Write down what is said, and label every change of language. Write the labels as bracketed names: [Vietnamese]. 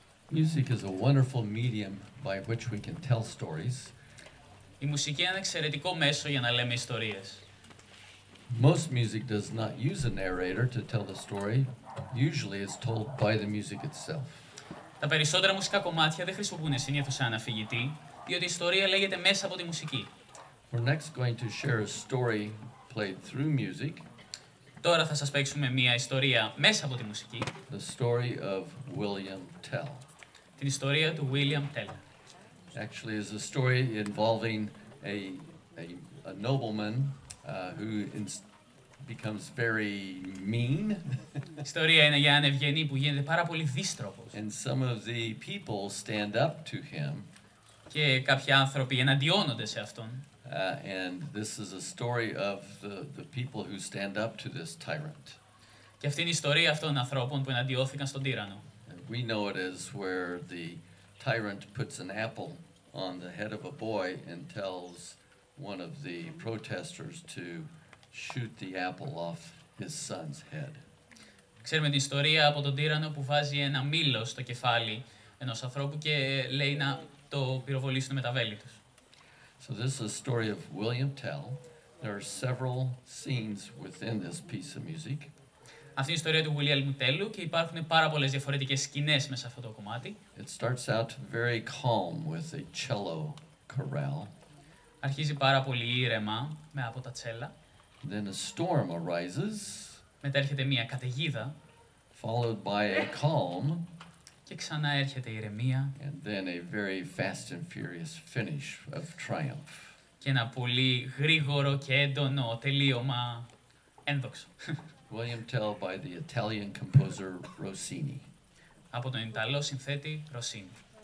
[English] Music is a wonderful medium by which we can tell stories. [Greek] Η μουσική είναι ένα εξαιρετικό μέσο για να λέμε ιστορίες. [English] Most music does not use a narrator to tell the story. Usually it's told by the music itself. [Greek] Τα περισσότερα μουσικά κομμάτια δεν χρησιμοποιούν συνήθως σαν αφηγητή, διότι η ιστορία λέγεται μέσα από τη μουσική. [English] We're next going to share a story played through music. [Greek] Τώρα θα σας παίξουμε μια ιστορία μέσα από τη μουσική. [English] The story of William Tell. [Greek] Την ιστορία του William Tell. [English] Actually, it's a story involving a nobleman who becomes very mean. [Greek] Ιστορία είναι για έναν ευγενή που γίνεται πάρα πολύ δίστροπος. [English] And some of the people stand up to him. [Greek] Και κάποιοι άνθρωποι εναντιώνονται σε αυτόν. [English] And this is a story of the people who stand up to this tyrant. [Greek] Και αυτή είναι η ιστορία αυτών των ανθρώπων που εναντιώθηκαν στον τύρανο. [English] We know it is where the tyrant puts an apple on the head of a boy and tells one of the protesters to shoot the apple off his son's head. [Greek] Ξέρουμε την ιστορία από τον τύρανο που βάζει ένα μήλο στο κεφάλι ενός ανθρώπου και λέει να το πυροβολήσουν με τα βέλη τους. [English] So this is a story of William Tell. There are several scenes within this piece of music. [Greek] Αυτή είναι η ιστορία του William Tell και υπάρχουν πάρα πολλές διαφορετικές σκηνές μέσα σε αυτό το κομμάτι. [English] It starts out very calm with a cello chorale. [Greek] Αρχίζει πάρα πολύ ήρεμα με από τα τσέλα. [English] Then a storm arises. [Greek] Μετά έρχεται μια καταιγίδα. [English] Followed by a calm. [Greek] Και ξανά έρχεται η ηρεμία. [English] And then a very fast and furious finish of triumph. [Greek] Και ένα πολύ γρήγορο και έντονο τελείωμα ένδοξο. [English] William Tell by the Italian composer Rossini. [Greek] Από τον Ιταλό συνθέτη Rossini.